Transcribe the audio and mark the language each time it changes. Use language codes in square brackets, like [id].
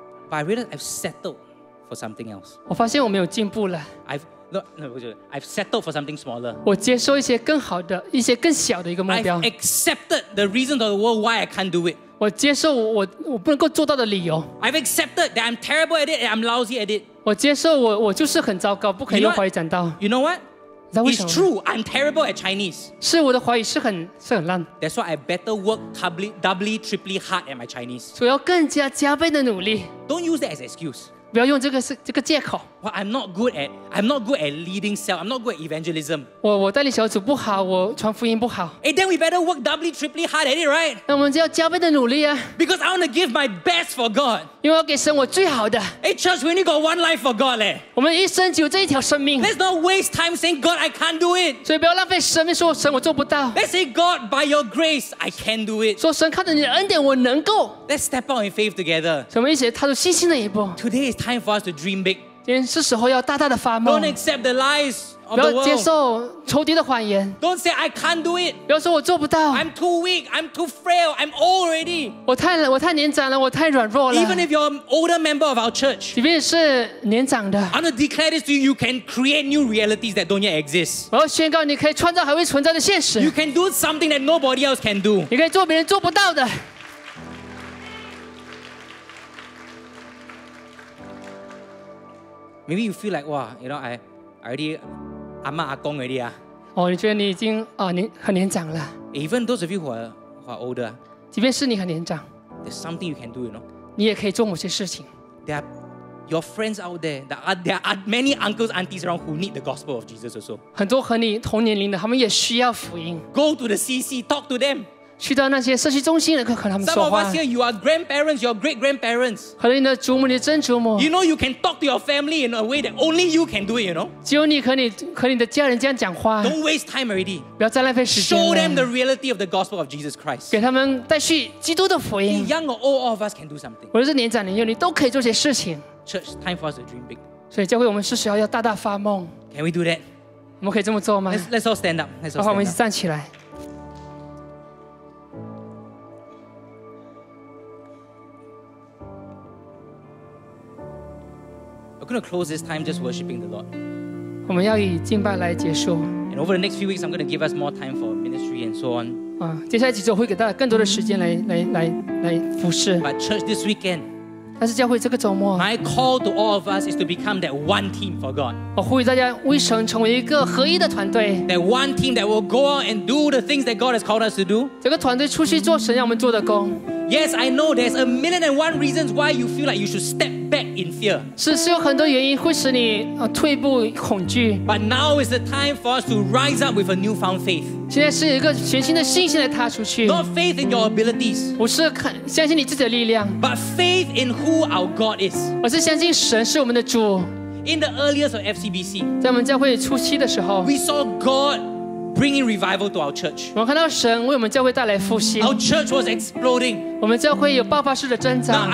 [en] But I realize I've settled for something else. [zh] 我发现我没有进步了。 [en] I've settled for something smaller. [zh] 我接受一些更好的、一些更小的一个目标。 [en] I've accepted the reason of the world why I can't do it. [zh] 我接受我不能够做到的理由。 [en] I've accepted that I'm terrible at it and I'm lousy at it. [zh] 我接受我就是很糟糕，不可以用华语讲道。 [en] You know what? That it's true. I'm terrible at Chinese. [zh] 是我的华语是很烂。 [en] That's why I better work doubly, triply hard at my Chinese. [zh] 所以要更加加倍的努力。 [en] Don't use that as excuse. [zh] 不要用这个借口。 [en] Well, I'm not good at leading cell. I'm not good at evangelism. [zh] 我带领小组不好，我传福音不好。 [en] Hey, then we better work doubly, triply hard at it, right? [zh] 那我们就要加倍的努力啊。 [en] Because I want to give my best for God. [zh] 因为我给神我最好的。 [en] Hey, church, we only got one life for God, leh. [zh] 我们一生只有这一条生命。 [en] Let's not waste time saying God, I can't do it. [zh] 所以不要浪费生命说神我做不到。 [en] Let's say God, by Your grace, I can do it. [zh] 说神靠着你的恩典我能够。 [en] Let's step out in faith together. [zh] 所以我们一起踏出信心的一步。 [en] Today is time for us to dream big. [zh] 今天是时候要大大的发梦。 [en] Don't accept the lies of the world. [zh] 不要接受仇敌的谎言。 [en] Don't say I can't do it. [zh] 不要说我做不到。 [en] I'm too weak. I'm too frail. I'm old already. [zh] 我太年长了，我太软弱了。 [en] Even if you're an older member of our church. [zh] 即便是年长的。 [en] I want to declare this to you. You can create new realities that don't yet exist. [zh] 我要宣告，你可以创造还未存在的现实。 [en] You can do something that nobody else can do. [zh] 你可以做别人做不到的。 [en] Maybe you feel like, wow, you know, I already [zh] 阿嬷阿公 [en] already 啊。 [zh] 哦，你觉得你已经很年长了。 [en] Even those of you who are older, [zh] 即便是你很年长 [en] ，there's something you can do, you know. [zh] 你也可以做某些事情。 [en] There are your friends out there. There are many uncles, aunties around who need the gospel of Jesus also. [zh] 很多和你同年龄的，他们也需要福音。 [en] Go to the CC, talk to them. [zh] 去到那些社区中心的，和他们说话。 [en] Some of us here, you are grandparents, you are great grandparents. [zh] 和你的祖母，你的曾祖母。 [en] You know you can talk to your family in a way that only you can do it. You know. [zh] 只有你和你的家人这样讲话。 [en] Don't waste time already. [zh] 不要再浪费时间了。 [en] Show them the reality of the gospel of Jesus Christ. [zh] 给他们带去基督的福音。 [en] Young or old, all of us can do something. [zh] 无论是年长年幼，你都可以做些事情。 [en] Church, time for us to dream big. [zh] 所以教会我们是时候要大大发梦。 [en] Can we do that? [zh] 我们可以这么做吗 [en] ？Let's all stand up. [zh] 好，我们一起站起来。 [en] I'm going to close this time just worshiping the Lord. [zh] 我们要以敬拜来结束。 [en] And over the next few weeks, I'm going to give us more time for ministry and so on. [zh] 接下来几周会给大家更多的时间来服事。 [en] But church this weekend, [zh] 但是教会这个周末 [en] my call to all of us is to become that one team for God. [zh] 我呼吁大家为神成为一个合一的团队。 [en] That one team that will go out and do the things that God has called us to do. [zh] 这个团队出去做神让我们做的工。 [en] Yes, I know there's a million and one reasons why you feel like you should step back in fear. [zh] 是有很多原因会使你退步恐惧。 [en] But now is the time for us to rise up with a newfound faith. [zh] 现在是一个全新的信心来踏出去。 [en] Not faith in your abilities. [zh] 不是相信你自己的力量。 [en] But faith in who our God is. [zh] 而是相信神是我们的主。 [en] In the earliest of FCBC, [zh] 在我们教会初期的时候 [en] we saw God bringing revival to our church. [zh] 我看到神为我们教会带来复兴 [en] Our church was exploding. [zh] 我们教会有爆发式的增长